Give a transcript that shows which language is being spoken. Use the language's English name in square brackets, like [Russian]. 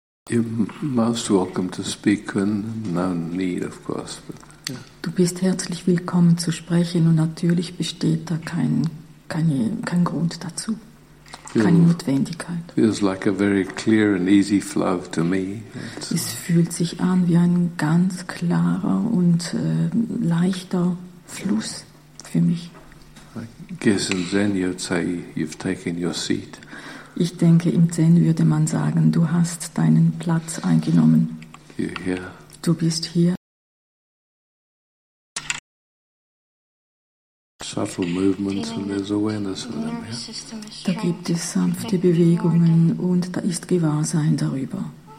[English] You're most welcome to speak, and no need, of course. But [German] Du bist herzlich willkommen zu sprechen und natürlich besteht da kein Grund dazu, keine Notwendigkeit. [English] Feels like a very clear and easy flow to me. [German] Es fühlt sich an wie ein ganz klarer und leichter Fluss für mich. [English] I guess in Zen you'd say you've taken your seat. [German] Ich denke, im Zen würde man sagen, du hast deinen Platz eingenommen. [English] You're here. [German] Du bist hier. [English] Subtle movements and there's awareness of them. [German] Da gibt es sanfte Bewegungen und da ist Gewahrsein darüber.